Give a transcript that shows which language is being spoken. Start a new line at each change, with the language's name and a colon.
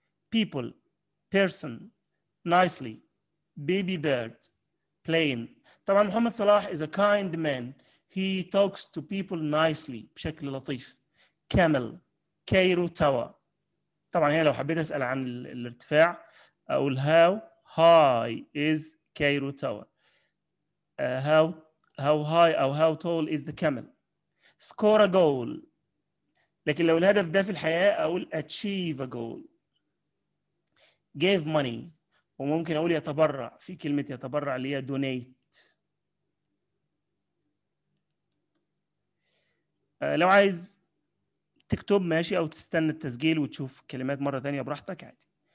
English: People, person, nicely, baby bird, plane.
Arabic: طبعا
English: Mohamed Salah is a kind man. He talks to people nicely,
Arabic: بشكل لطيف.
English: Camel, Cairo Tower.
Arabic: طبعا هنا لو حبيت أسأل عن الارتفاع أقول
English: how high is Cairo Tower. How high or how tall is the camel? Score a goal.
Arabic: لكن لو الهدف ده في الحياة أقول
English: achieve a goal. Give money.
Arabic: وممكن أقول يتبرع. في كلمة يتبرع اللي هي donate. لو عايز تكتب ماشي أو تستنى التسجيل وتشوف كلمات مرة تانية براحتك عادي.